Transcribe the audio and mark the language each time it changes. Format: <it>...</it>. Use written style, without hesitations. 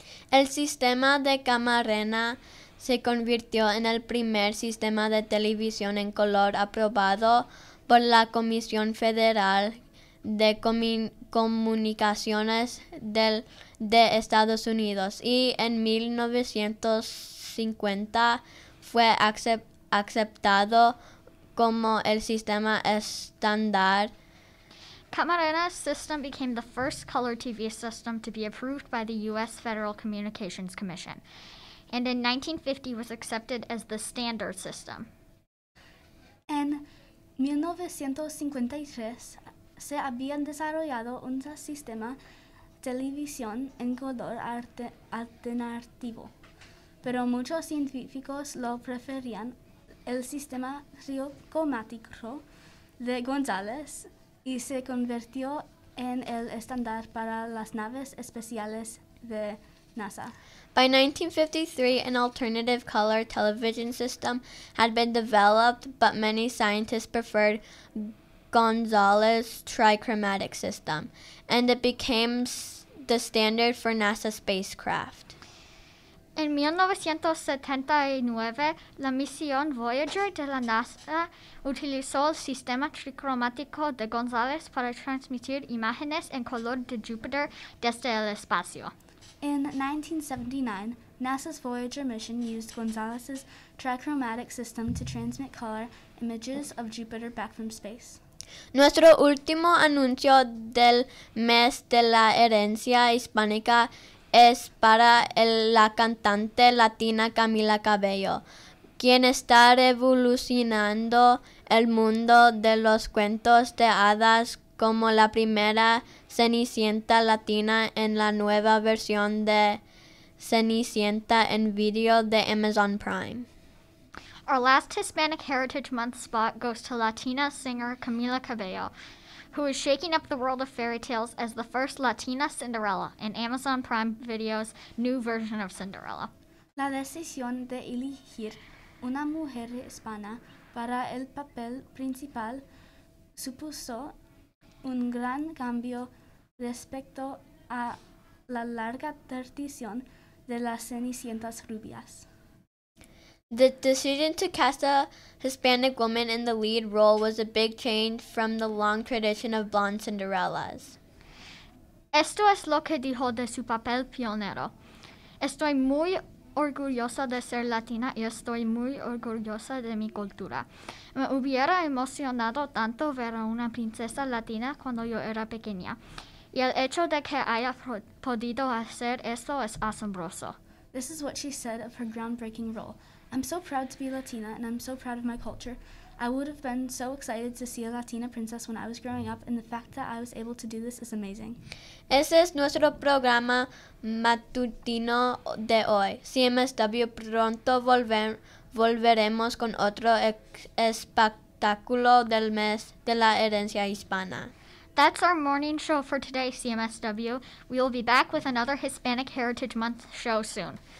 <es>El sistema de Camarena se convirtió en el primer sistema de televisión en color aprobado por la Comisión Federal de Comunicaciones de Estados Unidos y en 1950 fue aceptado como el sistema estándar.</es> <en>Camarena's system became the first color TV system to be approved by the U.S. Federal Communications Commission, and in 1950 was accepted as the standard system.</en> <es>En 1953, se habían desarrollado un sistema de televisión en color alternativo, pero muchos científicos lo preferían el sistema tricromático de González y se convirtió en el estándar para las naves espaciales de NASA.</es> <en>By 1953, an alternative color television system had been developed, but many scientists preferred González's trichromatic system, and it became the standard for NASA spacecraft.</en> <es>En 1979, la misión Voyager de la NASA utilizó el sistema tricromático de González para transmitir imágenes en color de Júpiter desde el espacio.</es> <en>In 1979, NASA's Voyager mission used González's trichromatic system to transmit color images of Jupiter back from space.</en> <es>Nuestro último anuncio del mes de la herencia hispánica es para la cantante latina Camila Cabello, quien está revolucionando el mundo de los cuentos de hadas como la primera Cenicienta latina en la nueva versión de Cenicienta en video de Amazon Prime.</es> <en>Our last Hispanic Heritage Month spot goes to Latina singer Camila Cabello, who is shaking up the world of fairy tales as the first Latina Cinderella in Amazon Prime Video's new version of Cinderella.</en> <es>La decisión de elegir una mujer hispana para el papel principal supuso un gran cambio respecto a la larga tradición de las Cenicientas rubias.</es> <en>The decision to cast a Hispanic woman in the lead role was a big change from the long tradition of blonde Cinderellas.</en> <es>Esto es lo que dijo de su papel pionero. Estoy muy orgullosa de ser latina y estoy muy orgullosa de mi cultura. Me hubiera emocionado tanto ver a una princesa latina cuando yo era pequeña. Y el hecho de que haya podido hacer eso es asombroso.</es> <en>This is what she said of her groundbreaking role. I'm so proud to be Latina, and I'm so proud of my culture. I would have been so excited to see a Latina princess when I was growing up, and the fact that I was able to do this is amazing.</en> <es>Ese es nuestro programa matutino de hoy. CMSW, pronto volveremos con otro espectáculo del mes de la herencia hispana.</es> <en>That's our morning show for today, CMSW. We will be back with another Hispanic Heritage Month show soon.</en>